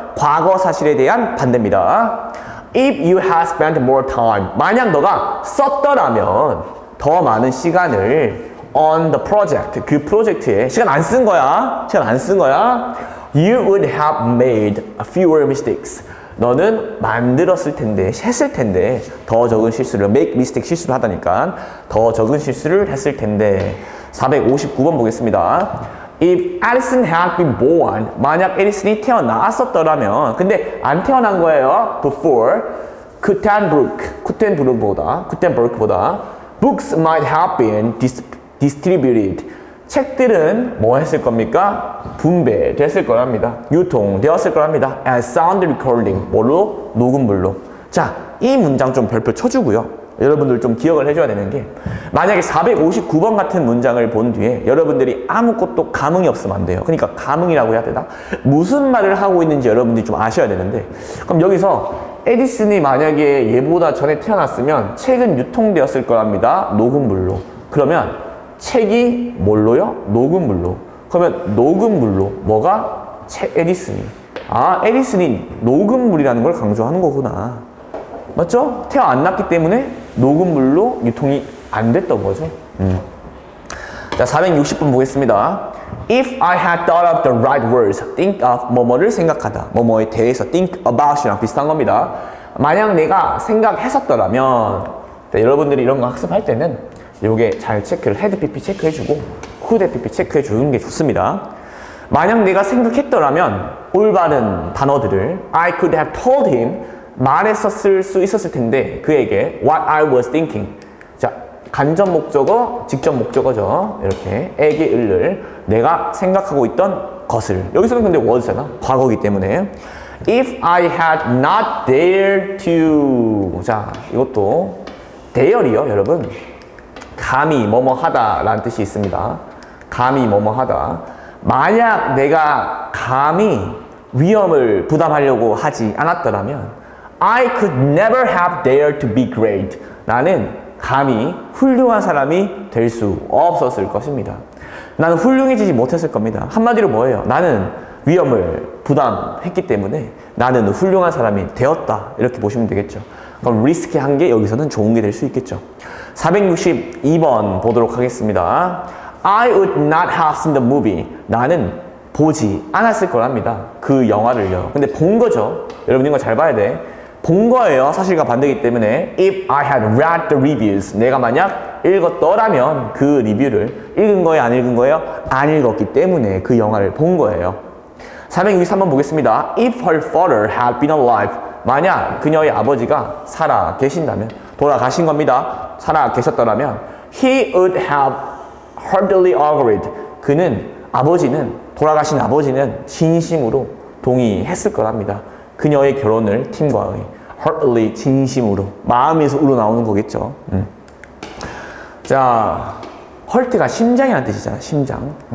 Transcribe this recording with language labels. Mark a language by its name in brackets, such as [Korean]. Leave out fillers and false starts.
[Korean] 과거 사실에 대한 반대입니다. [English] if you have spent more time, [Korean] 만약 너가 썼더라면 더 많은 시간을 [English] on the project, [Korean] 그 프로젝트에 시간 안 쓴 거야. 시간 안 쓴 거야. [English] You would have made fewer mistakes. [Korean] 너는 만들었을 텐데, 했을 텐데, 더 적은 실수를, make mistake 실수를 하다니까, 더 적은 실수를 했을 텐데. 459번 보겠습니다. [English] If Allison had been born, [Korean] 만약 Allison이 태어났었더라면, 근데 안 태어난 거예요. [English] Before, Gutenberg보다, books might have been distributed. [Korean] 책들은 뭐 했을 겁니까? 분배됐을 거랍니다. 유통되었을 거랍니다. [English] And sound recording. [Korean] 뭘로? 녹음물로. 자, 이 문장 좀 별표 쳐주고요. 여러분들 좀 기억을 해줘야 되는 게, 만약에 459번 같은 문장을 본 뒤에 여러분들이 아무것도 감흥이 없으면 안 돼요. 그러니까 감흥이라고 해야 되나? 무슨 말을 하고 있는지 여러분들이 좀 아셔야 되는데, 그럼 여기서 에디슨이 만약에 얘보다 전에 태어났으면 책은 유통되었을 거랍니다. 녹음물로. 그러면 책이 뭘로요? 녹음물로. 그러면 녹음물로 뭐가? 책, 에디슨이. 아, 에디슨이 녹음물이라는 걸 강조하는 거구나. 맞죠? 태어 안 났기 때문에 녹음물로 유통이 안 됐던 거죠. 자, 460번 보겠습니다. [English] If I had thought of the right words, think of [Korean] 뭐뭐를 생각하다, 뭐뭐에 대해서 [English] think about이랑 비슷한 겁니다. [Korean] 만약 내가 생각했었더라면, 네, 여러분들이 이런 거 학습할 때는 요게 잘 체크를, head pp 체크해 주고 could pp 체크해 주는 게 좋습니다. 만약 내가 생각했더라면, 올바른 단어들을 [English] I could have told him, [Korean] 말했었을 수 있었을 텐데 그에게 [English] what I was thinking. [Korean] 자, 간접 목적어, 직접 목적어죠. 이렇게 에게 을을, 내가 생각하고 있던 것을, 여기서는 근데 was잖아, 과거이기 때문에. [English] If I had not dared to, [Korean] 자, 이것도 dare이요 여러분. 감히 뭐뭐 하다 라는 뜻이 있습니다. 감히 뭐뭐 하다. 만약 내가 감히 위험을 부담하려고 하지 않았더라면 [English] I could never have dared to be great. [Korean] 나는 감히 훌륭한 사람이 될 수 없었을 것입니다. 나는 훌륭해지지 못했을 겁니다. 한마디로 뭐예요? 나는 위험을 부담했기 때문에 나는 훌륭한 사람이 되었다. 이렇게 보시면 되겠죠. 그럼 리스키한 게 여기서는 좋은 게 될 수 있겠죠. 462번 보도록 하겠습니다. [English] I would not have seen the movie. [Korean] 나는 보지 않았을 거랍니다. 그 영화를요. 근데 본 거죠. 여러분 이거 잘 봐야 돼. 본 거예요. 사실과 반대이기 때문에. [English] If I had read the reviews. [Korean] 내가 만약 읽었더라면 그 리뷰를. 읽은 거예요? 안 읽은 거예요? 안 읽었기 때문에 그 영화를 본 거예요. 463번 보겠습니다. [English] If her father had been alive. [Korean] 만약 그녀의 아버지가 살아 계신다면, 돌아가신 겁니다. 살아 계셨더라면, [English] he would have heartily agreed. [Korean] 그는, 아버지는, 돌아가신 아버지는 진심으로 동의했을 거랍니다. 그녀의 결혼을, 팀과의, heartily, 진심으로, 마음에서 우러나오는 거겠죠. 자, heart가 심장이란 뜻이잖아, 심장.